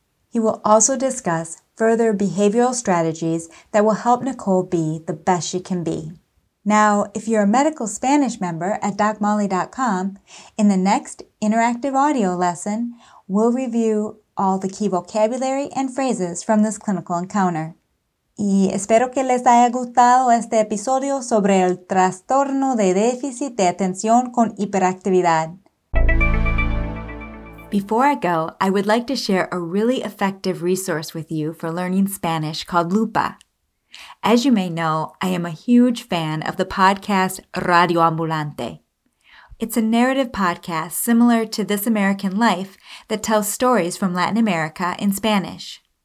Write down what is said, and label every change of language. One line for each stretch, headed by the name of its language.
English: He will also discuss further behavioral strategies that will help Nicole be the best she can be. Now, if you're a medical Spanish member at DocMolly.com, in the next interactive audio lesson, we'll review all the key vocabulary and phrases from this clinical encounter.
Spanish: Y espero que les haya gustado este episodio sobre el trastorno de déficit de atención con hiperactividad.
English: Before I go, I would like to share a really effective resource with you for learning Spanish called Lupa. As you may know, I am a huge fan of the podcast Radio Ambulante. It's a narrative podcast similar to This American Life that tells stories from Latin America in Spanish.